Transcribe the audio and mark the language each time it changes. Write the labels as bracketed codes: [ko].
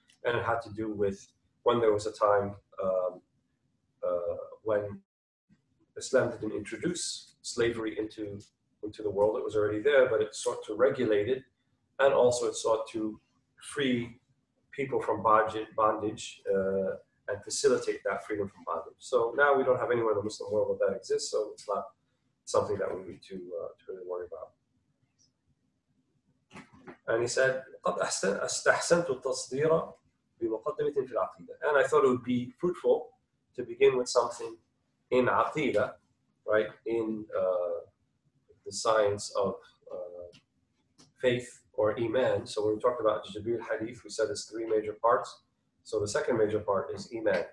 [en] And it had to do with when there was a time when Islam didn't introduce slavery into the world, it was already there, but it sought to regulate it, and also it sought to free people from bondage and facilitate that freedom from bondage. So now we don't have anywhere in the Muslim world where that exists, so it's not something that we need to really worry about. [ar] And he said, قَدْ أَسْتَحْسَنْتُ التَّصْدِيرَ بِمُقَدَّمَةٍ فِي الْعَقِيدَةِ. [en] And I thought it would be fruitful to begin with something in aqidah, right, in the science of faith or iman. So when we talked about Jibril Hadith, we said it's three major parts. So the second major part is iman.